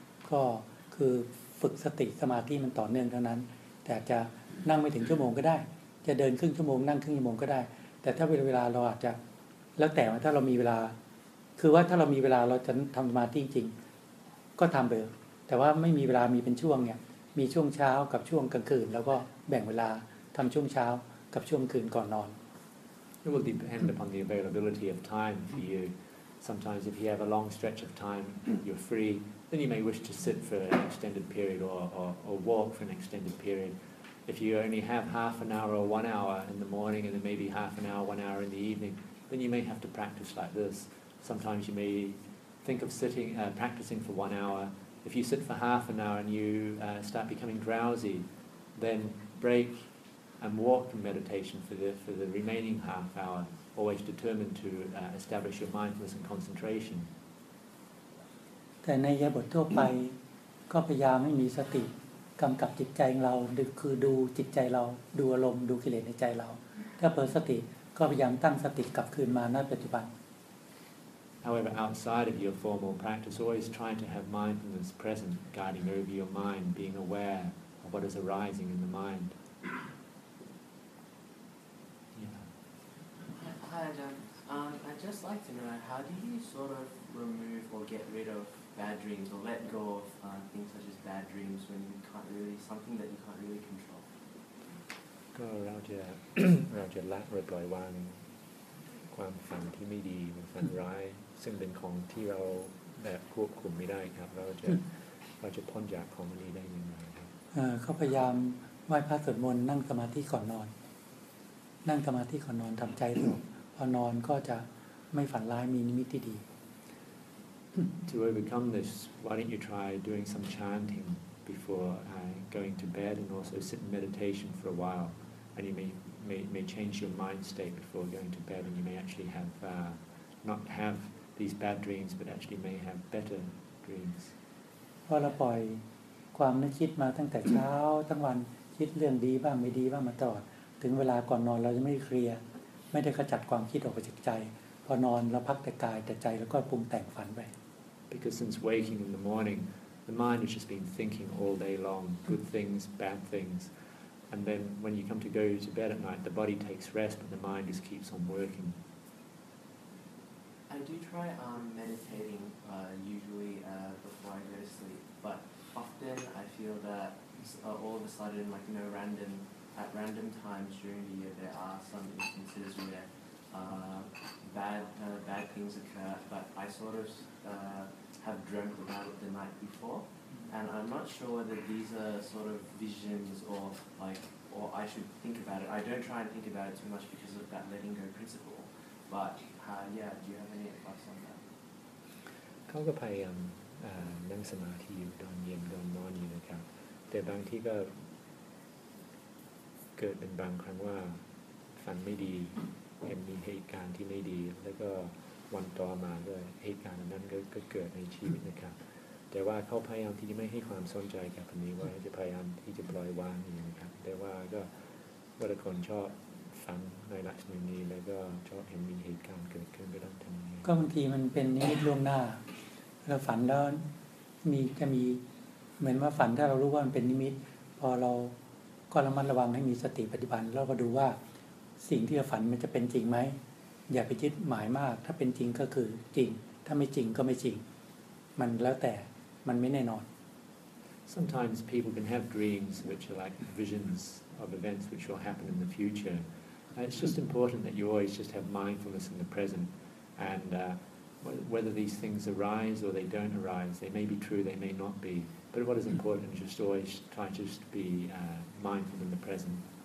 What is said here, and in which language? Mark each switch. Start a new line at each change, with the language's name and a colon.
Thai: ก็คือฝึกสติสมาธิมันต่อเนื่องเท่านั้นแต่จะนั่งไม่ถึงชั่วโมงก็ได้จะเดินครึ่งชั่วโมงนั่งครึ่งชั่วโมงก็ได้แต่ถ้าเวลาเราอาจจะแล้วแต่ว่าถ้าเรามีเวลาคือว่าถ้าเรามีเวลาเราจะทำสมาธิจริงก็ทำไปแต่ว่าไม่มีเวลามีเป็นช่วงเนี่ยมีช่วงเช้ากับช่วงกลางคืนแล้วก็แบ่งเวลาทำช่วงเช้ากับช่วงคืนก่อนนอน
English: It will depend upon the availability of time for you. Sometimes if you have a long stretch of time, you're free. Then you may wish to sit for an extended period or walk for an extended period. If you only have 1/2 hour or 1 hour in the morning and then maybe 1/2 hour, 1 hour in the evening, then you may have to practice like this. Sometimes you may think of sitting, practicing for 1 hour. If you sit for 1/2 hour and you start becoming drowsy, then break and walk in meditation for the remaining 1/2 hour, always determined to establish your mindfulness and concentration.
Thai: แต่ในยาบททั่วไปก็พยายามให้มีสติกำกับจิตใจของเราคือดูจิตใจเราดูอารมณ์ดูกิเลสในใจเราถ้าเพิ่มสติก็พยายามตั้งสติกลับคืนมาณปัจจุบัน
English: However outside of your formal practice always try to have mindfulness present guiding over your mind being aware of what is arising in the mind Yeah Hi Adam I'd just like to know how do you sort of remove or get rid ofBad dreams or let go of things such as bad dreams when you can't really something that you can't really control.
Thai: ก็เราจะละหรือปล่อยวางความฝันที่ไม่ดีความฝันร้ายซึ่งเป็นของที่เราแบบควบคุมไม่ได้ครับเราจะพ้นจากของมันได้ยังไงครับ เขาพยายามไหว้พระสวดมนต์นั่งสมาธิก่อนนอนนั่งสมาธิก่อนนอนทำใจสงบพอนอนก็จะไม่ฝันร้ายมีนิมิตที่ดี
English: To overcome this, why don't you try doing some chanting before going to bed and also sit in meditation for a while and you may change your mind state before going to bed and you may actually have not have these bad dreams but actually may have better dreams.
Thai: พอเราปล่อยความนึกคิดมาตั้งแต่เช้าทั้งวันคิดเรื่องดีบ้างไม่ดีบ้างมาตลอดถึงเวลาก่อนนอนเราจะไม่เคลียร์ไม่ได้ขจัดความคิดออกจากใจพอนอนเราพักแต่กายแต่ใจแล้วก็ปรุงแต่งฝันไป
English: Because since waking in the morning, The mind has just been thinking all day long, good things, bad things. And then when you come to go to bed at night, the body takes rest, but the mind just keeps on working. I do try meditating usually before I go to sleep, but often I feel that all of a sudden, like, you know, at random times during the year, there are some instances where bad things occur, but I sort of have dreamt about it the night before, and I'm not sure whether these are sort of visions or I should think about it. I don't try and think about it too much because of that letting go principle, but do you have any advice on that?
Thai: Kalgapai nang samathi don yem don non yin ka de bang thi ka เกิดเป็นบางครั้งว่าฝันไม่ดีเห็นมีเหตุการณ์ที่ไม่ดีแล้วก็วันต่อมาด้วยเหตุการณ์นั้นก็เกิดในชีวิตนะครับแต่ว่าเขาพยายามที่จะไม่ให้ความสนใจกับอันนี้ว่าจะพยายามที่จะปล่อยวางอย่างนี้ครับแต่ว่าก็บางคนชอบฝันในลักษณะนี้แล้วก็ชอบเห็นมีเหตุการณ์เกิดขึ้นก็ต้องทำอย่างนี้ก็บางทีมันเป็นนิมิตล่วงหน้าเราฝันแล้วมีจะมีเหมือนว่าฝันถ้าเรารู้ว่ามันเป็นนิมิตพอเราก็ระมัดระวังให้มีสติปัจจุบันแล้วก็ดูว่าสิ่งที่เราฝันมันจะเป็นจริงไหมอย่าไปยึดหมายมากถ้าเป็นจริงก็คือจริงถ้าไม่จริงก็ไม่จริงมันแล้วแต่มันไม่แน่นอน
English: Sometimes people can have dreams which are like visions of events which will happen in the future. And it's just important that you always just have mindfulness in the present. And whether these things arise or they don't arise, they may be true, they may not be. But what is important is just always try just to be mindful in the present.